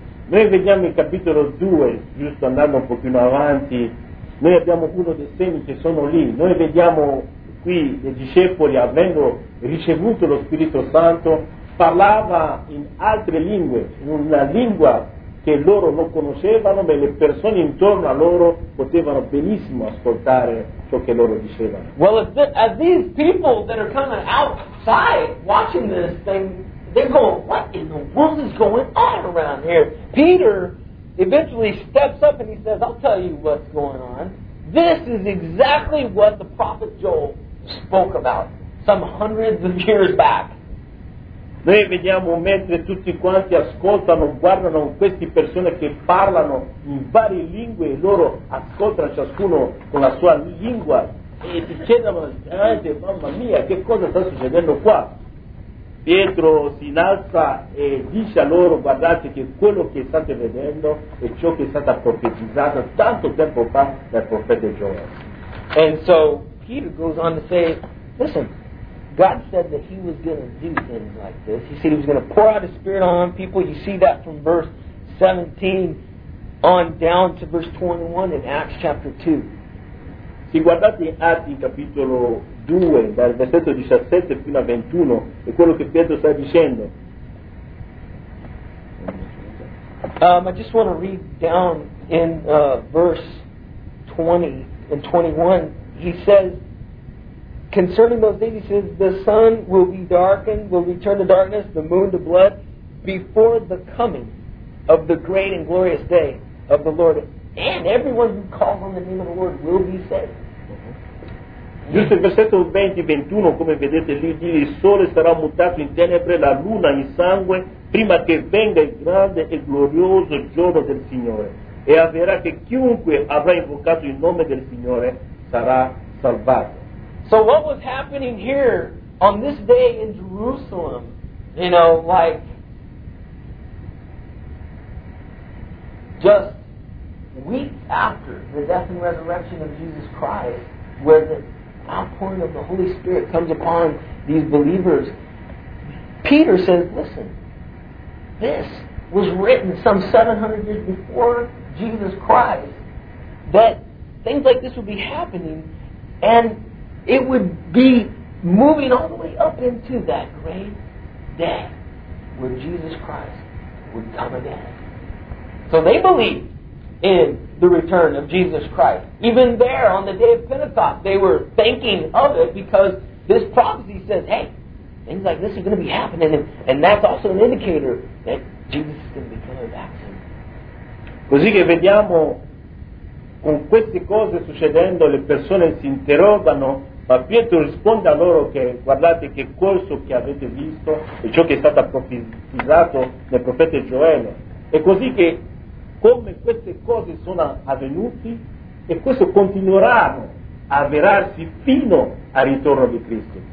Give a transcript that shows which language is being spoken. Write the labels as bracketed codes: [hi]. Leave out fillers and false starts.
[it] Noi vediamo il capitolo 2, giusto andando un pochino avanti, noi abbiamo uno dei segni che sono lì. Noi vediamo qui i discepoli, avendo ricevuto lo Spirito Santo, parlava in altre lingue, in una lingua che loro non conoscevano, ma le persone intorno a loro potevano benissimo ascoltare ciò che loro dicevano. [en] Well, if these people that are coming outside watching this thing, they're going, what in the world is going on around here? Peter eventually steps up and he says, I'll tell you what's going on. This is exactly what the prophet Joel spoke about some hundreds of years back. [it] Noi vediamo mentre tutti quanti ascoltano, guardano queste persone che parlano in varie lingue e loro ascoltano ciascuno con la sua lingua e si chiedono, mamma mia, che cosa sta succedendo qua? Pietro si innalza e dice a loro, guardate che quello che state vedendo è ciò che è stato profetizzato tanto tempo fa dal profeta Giovanni. [en] And so Peter goes on to say, listen, God said that he was going to do things like this. He said he was going to pour out his spirit on people. You see that from verse 17 on down to verse 21 in Acts chapter 2. [it] Si guardate Atti capitolo 2, dal versetto 17 fino a 21, è quello che Pietro sta dicendo. [en] I just want to read down in verse 20 and 21. He says, concerning those days, he says, the sun will be darkened, will return to darkness, the moon to blood, before the coming of the great and glorious day of the Lord. And everyone who calls on the name of the Lord will be saved. [it] Giusto il versetto 20-21, come vedete lì, dice, il sole sarà mutato in tenebre, la luna in sangue, prima che venga il grande e glorioso giorno del Signore. E avverrà che chiunque avrà invocato il nome del Signore sarà salvato. [en] So what was happening here on this day in Jerusalem, you know, like just weeks after the death and resurrection of Jesus Christ, where the outpouring of the Holy Spirit comes upon these believers, Peter says, listen, this was written some 700 years before Jesus Christ, that things like this would be happening, and it would be moving all the way up into that great day where Jesus Christ would come again. So they believed in the return of Jesus Christ. Even there on the day of Pentecost, they were thinking of it because this prophecy says, hey, things like this are going to be happening, and that's also an indicator that Jesus is going to be coming back soon. [it] Così che vediamo con queste cose succedendo, le persone si interrogano Ma Pietro risponde a loro che guardate che corso che avete visto e ciò che è stato profetizzato nel profeta Gioele. È così che come queste cose sono avvenute e questo continuerà a avverarsi fino al ritorno di Cristo.